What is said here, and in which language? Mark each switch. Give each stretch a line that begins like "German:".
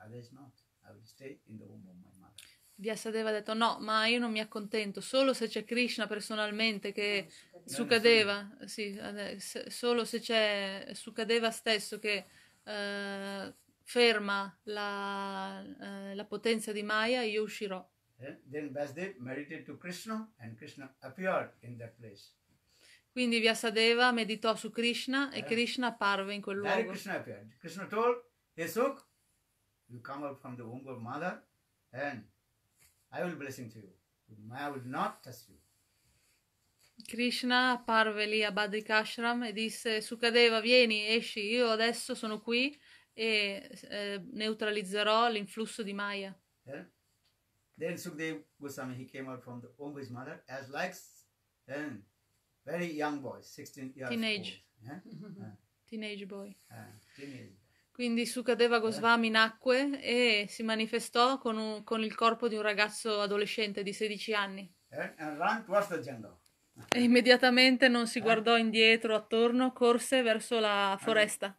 English: Otherwise not, I will stay in the womb of my mother.
Italian: Vyasadeva ha detto no, ma io non mi accontento, solo se c'è Krishna personalmente che Sukadeva, sì, solo se c'è Sukadeva stesso che ferma la, la potenza di Maya, io uscirò.
English: Then Vyasadeva meditated to Krishna and Krishna appeared in that place.
Italian: Quindi Vyasadeva meditò su Krishna e Krishna apparve in quel luogo.
English: Krishna appeared. Krishna told, hey Suk, you come out from the womb of mother and I will blessing to you. Maya will not touch you.
Italian: Krishna apparve lì a Badrikashram e disse, Sukadeva, vieni, esci, io adesso sono qui e neutralizzerò l'influsso di Maya.
English: Then Sukadeva Goswami, he came out from the womb of his mother as like very young boy, 16 years teenage. Old. Teenage boy. Teenage.
Italian: Quindi Sukadeva Goswami nacque e si manifestò con il corpo di un ragazzo adolescente di 16 anni.
English: And ran towards the jungle.
Italian: E immediatamente non si guardò indietro, attorno, corse verso la foresta.